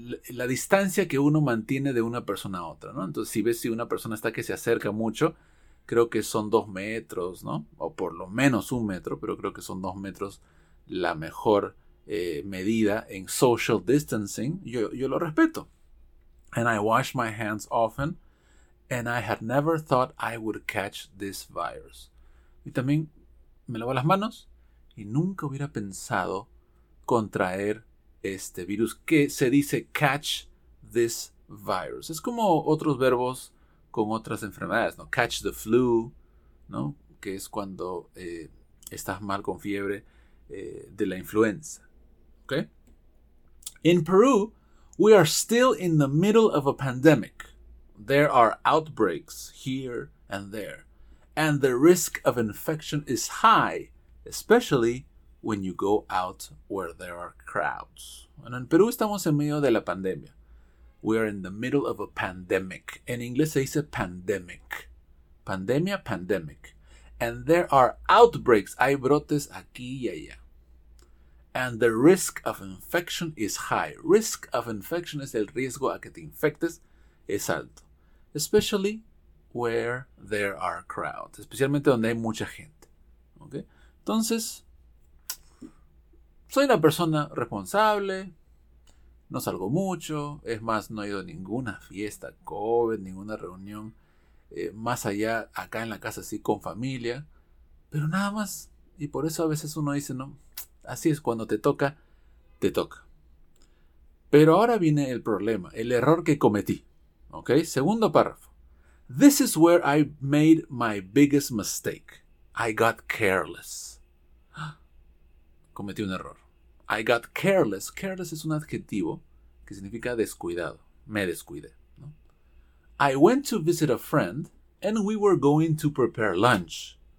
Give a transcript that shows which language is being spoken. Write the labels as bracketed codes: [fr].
[es] la distancia que uno mantiene de una persona a otra, ¿no? Entonces, si ves si una persona está que se acerca mucho, creo que son 2 metros, ¿no? O por lo menos 1 metro, pero creo que son 2 metros la mejor medida en social distancing. Yo lo respeto. [en] And I wash my hands often, and I had never thought I would catch this virus. [es] Y también me lavo las manos y nunca hubiera pensado contraer este virus, que se dice catch this virus. Es como otros verbos con otras enfermedades, ¿no? Catch the flu, ¿no? Que es cuando estás mal con fiebre de la influenza. ¿Okay? [en] In Peru, we are still in the middle of a pandemic. There are outbreaks here and there. And the risk of infection is high, especially when you go out where there are crowds. [es] Bueno, en Perú estamos en medio de la pandemia. [en] We are in the middle of a pandemic. [es] En inglés se dice pandemic. Pandemia, pandemic. And there are outbreaks. Hay brotes aquí y allá. [en] And the risk of infection is high. Risk of infection es el riesgo a que te infectes es alto. Especially where there are crowds. [es] Especialmente donde hay mucha gente. ¿Okay? Entonces, soy una persona responsable. No salgo mucho. Es más, no he ido a ninguna fiesta COVID, ninguna reunión. Más allá, acá en la casa, sí, con familia. Pero nada más. Y por eso a veces uno dice, no, así es, cuando te toca, te toca. Pero ahora viene el problema, el error que cometí. ¿Ok? Segundo párrafo. [en] This is where I made my biggest mistake. I got careless. Cometí un error. [es] I got careless. Careless es un adjetivo que significa descuidado. Me descuidé, ¿no? [en] I went to visit a friend and we were going to prepare lunch.